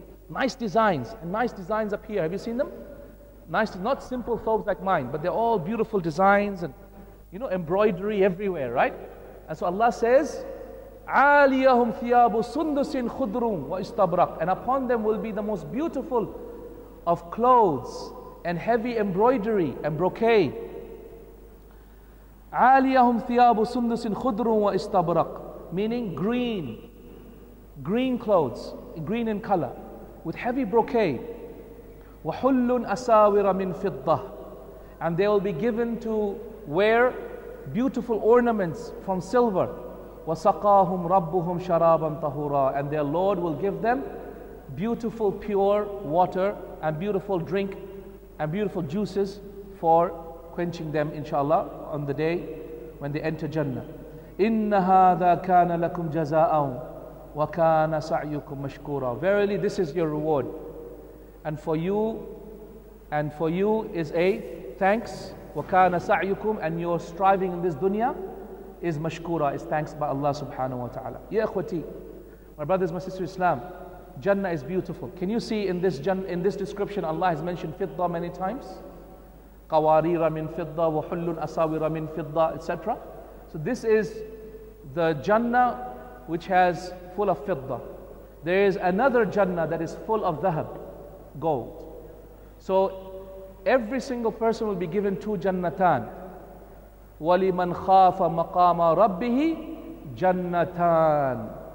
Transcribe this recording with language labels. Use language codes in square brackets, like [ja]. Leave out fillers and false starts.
[en] Nice designs, and nice designs up here. Have you seen them? Nice, not simple thobes like mine, but they're all beautiful designs and, you know, embroidery everywhere, right? And so Allah says, [ar] عَالِيَهُمْ ثِيَابُ سُنْدُسٍ خُدْرٌ وَإِسْتَبْرَقٌ [en] And upon them will be the most beautiful of clothes and heavy embroidery and brocade. [ar] عَالِيَهُمْ ثِيَابُ سُنْدُسٍ خُدْرٌ وَإِسْتَبْرَقٌ [en] Meaning green. Green clothes. Green in color. With heavy brocade. [ar] وَحُلٌّ أَسَاوِرَ مِنْ فِضَّةٍ [en] And they will be given to wear beautiful ornaments from silver. [ar] وَسَقَاهُمْ رَبُّهُمْ شَرَابًا طَهُورًا [en] And their Lord will give them beautiful pure water and beautiful drink and beautiful juices for quenching them, inshallah, on the day when they enter Jannah. [ar] إِنَّ هَذَا كَانَ لَكُمْ جَزَاءً وَكَانَ سَعْيُكُمْ مَشْكُورًا. [en] Verily, this is your reward. And for you is a thanks. [ar] وَكَانَ سَعْيُكُمْ, [en] and your striving in this dunya is mashkura, is thanks by Allah subhanahu wa ta'ala. Ya ikhwati, my brothers, my sisters, Islam, Jannah is beautiful. Can you see in this description, Allah has mentioned fidda many times? [ar] قَوَارِيرَ مِنْ فِدَّةٍ وَحُلٌّ أَسَاوِرَ مِنْ فِدَّةٍ, etc. [en] So this is the Jannah which has full of fidda. There is another Jannah that is full of dhahab, gold. So every single person will be given two Jannatan. [ar] وَلِمَنْ خَافَ مَقَامَ رَبِّهِ جَنَّتَان.